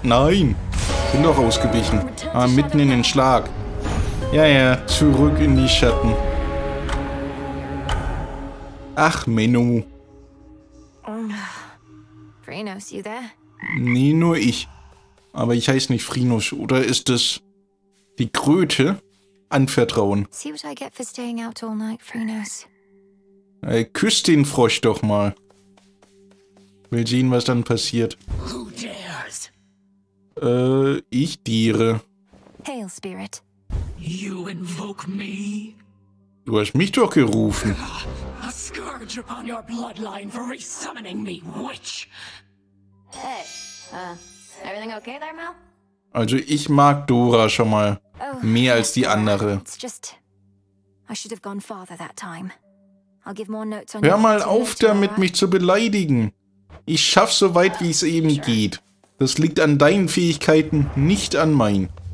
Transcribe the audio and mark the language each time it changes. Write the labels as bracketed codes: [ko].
[de] Nein. Bin doch ausgewichen. Ah, mitten in den Schlag. Ja, ja. Zurück in die Schatten. Ach, Menno. [en] Phrynos, you there? [de] Nee, nur ich. Aber ich heiße nicht Phrynos. Oder ist es die Kröte? Anvertrauen. [en] See what I get for staying out all night, Phrynos. [de] Ey, küss den Frosch doch mal. Will sehen, was dann passiert. [en] Who dares? [de] Ich diere. [en] Hail Spirit. You invoke me? [de] Du hast mich doch gerufen. [en] A scourge upon your bloodline for resummoning me, witch. Hey, everything okay there, Mal? [de] Also ich mag Dora schon mal mehr als die andere. [en] It's just, I should have gone farther that time. I'll give more notes on. [de] Hör mal auf damit, mich zu beleidigen. Ich schaff's so weit, wie es eben geht. Das liegt an deinen Fähigkeiten, nicht an meinen.